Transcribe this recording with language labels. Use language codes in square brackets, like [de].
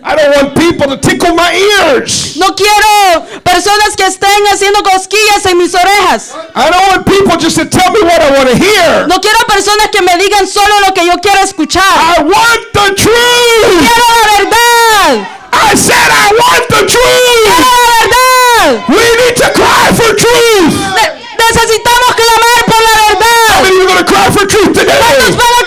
[en] I don't want people to tickle my ears. [es] No quiero personas que estén haciendo cosquillas en mis orejas. [en] I don't want people just to tell me what I want to hear. [es] No quiero personas que me digan solo lo que yo quiero escuchar. [en] I want the truth. [es] Quiero la verdad. [en] I said I want the truth. [es] Quiero la verdad. [en] We need to cry for truth. [es] Necesitamos clamar por la verdad. [en] How many are going to cry for truth today?